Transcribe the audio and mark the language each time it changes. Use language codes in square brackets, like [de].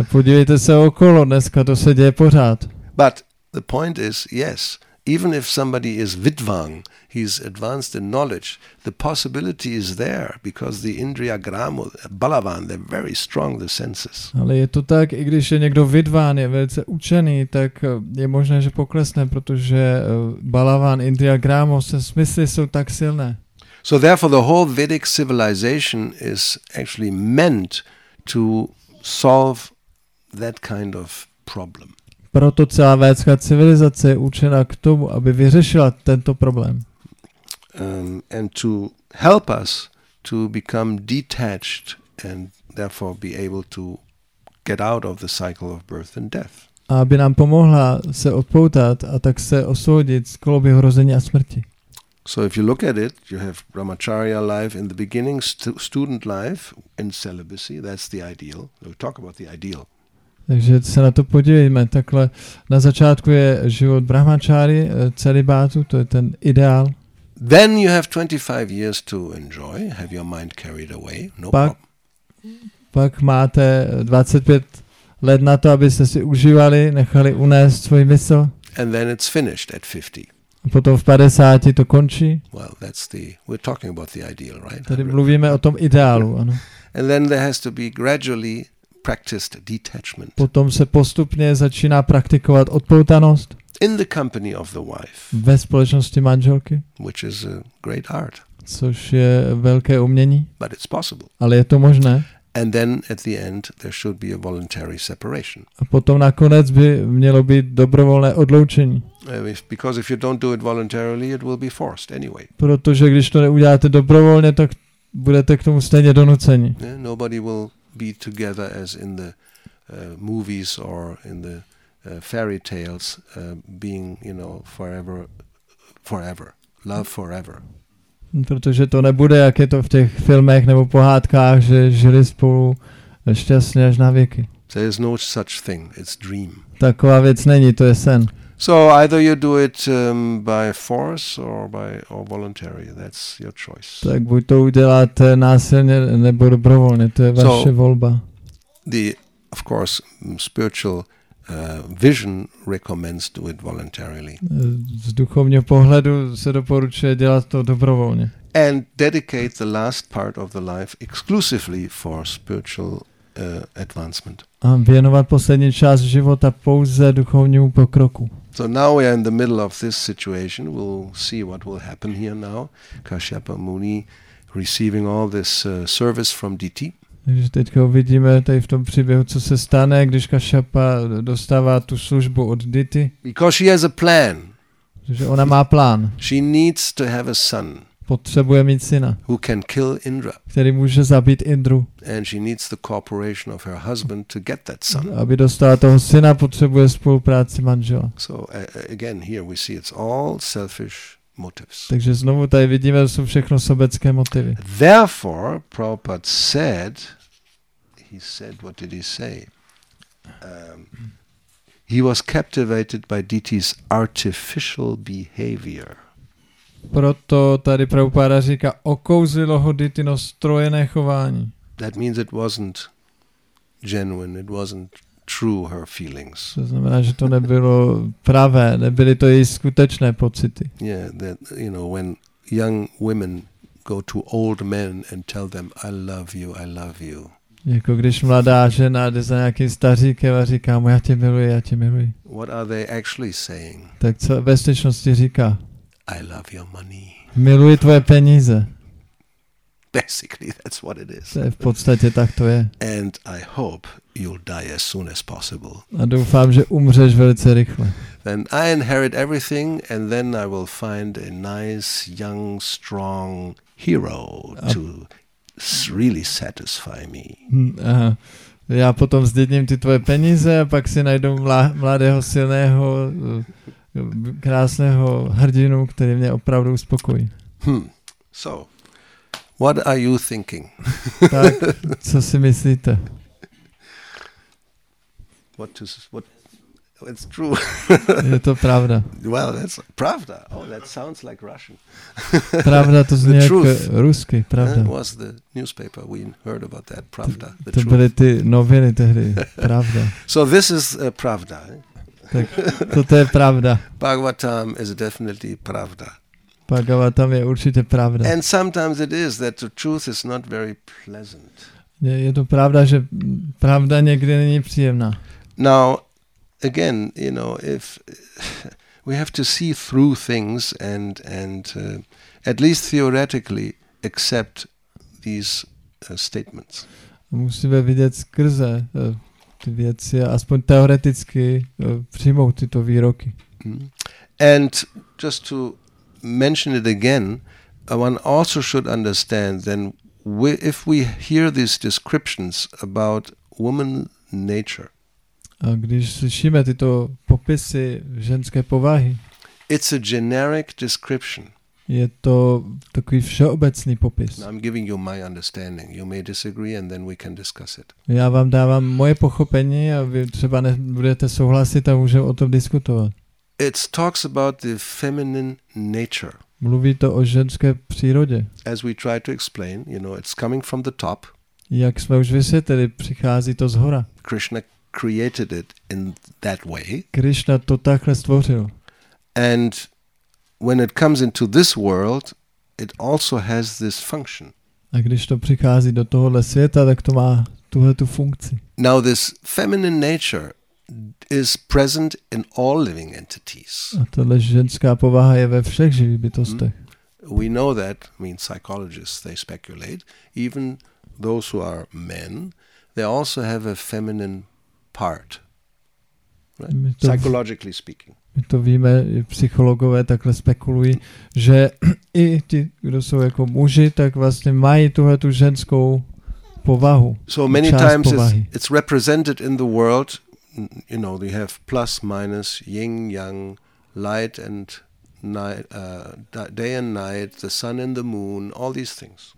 [cs] Podívejte se okolo, dneska to se děje pořád. [en] But the point is, yes, even if somebody is vidvang, he's advanced in knowledge, the possibility is there, because the indriya gramu, balavan, they're very strong, the senses. [cs] Ale je to tak, i když je někdo vidván, je velice učený, tak je možné, že poklesne, protože balavan, indriya gramu, se smysly jsou tak silné. [en] So therefore the whole Vedic civilization is actually meant to solve that kind of problem. [cs] Proto celá védská civilizace je učena k tomu, aby vyřešila tento problém. [en] And to help us to become detached and therefore be able to get out of the cycle of birth and death. [cs] A aby nám pomohla se odpoutat a tak se osvobodit z koloběhu rození a smrti. [en] So if you look at it, you have brahmacharya life in the beginning, student life in celibacy, that's the ideal. We'll talk about the ideal. [cs] Takže se na to podívejme. Takhle na začátku je život brahmačáry, celibátu, to je ten ideál. [en] Then you have 25 years to enjoy, have your mind carried away, no problem. [cs] Pak máte 25 let na to, abyste si užívali, nechali unést svůj mysl. [en] And then it's finished at 50. [cs] A potom v 50 to končí. [en] Well, that's the, we're talking about the ideal, right? [cs] Tady mluvíme o tom ideálu, ano. [en] And then there has to be gradually practiced detachment. [cs] Potom se postupně začíná praktikovat odpoutanost. [en] In the company of the wife. [cs] Ve společnosti manželky. [en] Which is a great art. [cs] Což je velké umění. [en] But it's possible. [cs] Ale je to možné. [en] And then at the end there should be a voluntary separation. [cs] A potom nakonec by mělo být dobrovolné odloučení. [en] Because if you don't do it voluntarily, it will be forced anyway. [cs] Protože když to neuděláte dobrovolně, tak budete k tomu stejně donuceni. [en] Yeah, nobody will be together as in the movies or in the fairy tales, being, you know, forever, love forever. [cs] Protože to nebude, jak je to v těch filmech nebo pohádkách, že žili spolu šťastně až na věky. [en] There is no such thing, it's dream. [cs] Taková věc není, to je sen. [en] So either you do it by force or voluntary, that's your choice. [cs] Tak buď to uděláte násilně nebo dobrovolně, to je vaše volba. [en] The, of course, spiritual vision recommends do it voluntarily. [cs] Z duchovního pohledu se doporučuje dělat to dobrovolně. [en] And dedicate the last part of the life exclusively for spiritual advancement. [cs] A věnovat poslední část života pouze duchovnímu pokroku. [en] So now we are in the middle of this situation. We'll see what will happen here now. Kashyapa Muni receiving all this service from Diti. [cs] Takže teďka uvidíme tady v tom příběhu, co se stane, když Kashyapa dostává tu službu od Diti. [en] Because she has a plan. [cs] Protože ona má plán. [en] She needs to have a son. [cs] potřebuje mít syna, [en] who can kill Indra, [cs] který může zabít Indru. [en] And she needs the cooperation of her husband to get that son. [cs] Aby dostala toho syna, potřebuje spolupráci manžela. [en] So again, here we see it's all selfish motives. [cs] Takže znovu tady vidíme, že jsou všechno sobecké motivy. [en] Therefore, Prabhupada said, he said, what did he say? He was captivated by Diti's artificial behavior. [cs] Proto tady Prabhupada říká, okouzlilo ho Ditino strojené chování. [en] That means it wasn't genuine, it wasn't true, her feelings. [cs] To znamená, že to nebylo pravé, nebyly to její skutečné pocity. [en] Yeah, that, you know, when young women go to old men and tell them, I love you, I love you. [cs] Jako když mladá žena jde za nějakým staříkem a říká mu, já tě miluji, já tě miluji. [en] What are they actually saying? [cs] Tak co ve skutečnosti říká? [en] I love your money. [cs] Miluji tvoje peníze. [en] Basically, that's what it is. [cs] To je v podstatě tak to je. [en] And I hope you'll die as soon as possible. [cs] A doufám, že umřeš velice rychle. [en] Then I inherit everything and then I will find a nice, young, strong hero to really satisfy me. [cs] Já potom zdědím ty tvoje peníze a pak si najdu mladého, silného, krásného hrdinu, který mě opravdu uspokojí. [en] So, what are you thinking? [cs] Tak, co si myslíte? [en] It's true. [cs] Je to pravda. [en] Well, that's pravda. Oh, that sounds like Russian. [cs] Pravda, to zní jako rusky, pravda. [en] That was the newspaper we heard about that, pravda. [cs] The to byly ty noviny tehdy, pravda. [en] So this is pravda. [cs] Tak toto je pravda. [en] Bhagavatam is definitely pravda. [cs] Bhagavatam je určitě pravda. [en] And sometimes it is that the truth is not very pleasant. [cs] Je to pravda, že pravda někdy není příjemná. [en] Now, again, you know, if we have to see through things and at least theoretically accept these statements. [cs] Musíme vidět skrze ty věci a aspoň teoreticky přijmout tyto výroky. [en] And just to mention it again, one also should understand then if we hear these descriptions about woman nature. [cs] A když slyšíme tyto popisy ženské povahy, [en] it's a generic description. [cs] Je to takový všeobecný popis. [en] I'm giving you my understanding. You may disagree and then we can discuss it. [cs] Já vám dávám moje pochopení a vy třeba nebudete souhlasit a můžeme o tom diskutovat. [en] It talks about the feminine nature. [cs] Mluví to o ženské přírodě. [en] As we try to explain, you know, it's coming from the top. [cs] Jak jsme už vysvětlili, přichází to zhora. [en] Krishna created it in that way. [cs] Krishna to takhle stvořil. [en] And when it comes into this world, it also has this function. [cs] A když to přichází do tohohle světa, tak to má tuhle tu funkci. [en] Now this feminine nature is present in all living entities. [cs] A tohle ženská povaha je ve všech živých bytostech. [en] We know that, I mean psychologists, they speculate, even those who are men, they also have a feminine part. Right? Psychologically speaking. [cs] My to víme, psychologové takhle spekulují, že i ti, kdo jsou jako muži, tak vlastně mají tuhle tu ženskou povahu. [en] So many times it's represented in the world, you know, you have plus minus yin yang, light and night, day and night, the sun and the moon, all these things.